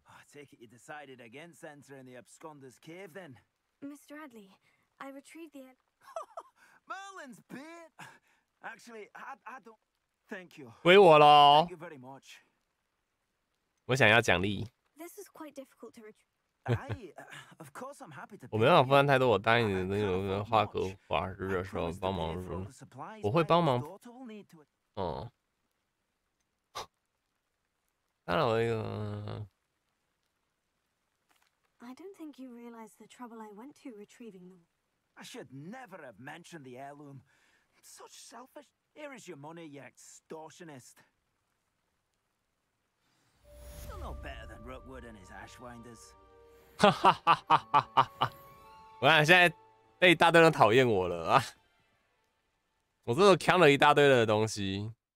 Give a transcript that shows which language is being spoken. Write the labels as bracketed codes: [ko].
[en] Take it you decided against entering the Absconder's cave, then. Mr. Adley, I retrieved the... Merlin's bait! Actually, I don't... Thank you. [zh] 归我咯。 [en] Thank you very much. [zh] 我想要奖励。 [en] This is quite difficult to retrieve. of course I'm happy to... [zh] 我没办法负担太多，我答应你的那个画格法师的时候帮忙的时候。我会帮忙。嗯。当然我一个。 [en] I don't think you realize the trouble I went to retrieving them. I should never have mentioned the heirloom. Such selfish. Here is your money, you extortionist. You're no better than Rookwood and his Ashwinders. Ha ha ha ha ha ha. [zh] 我现在被一大堆人讨厌我了啊！我这都扛了一大堆的东西。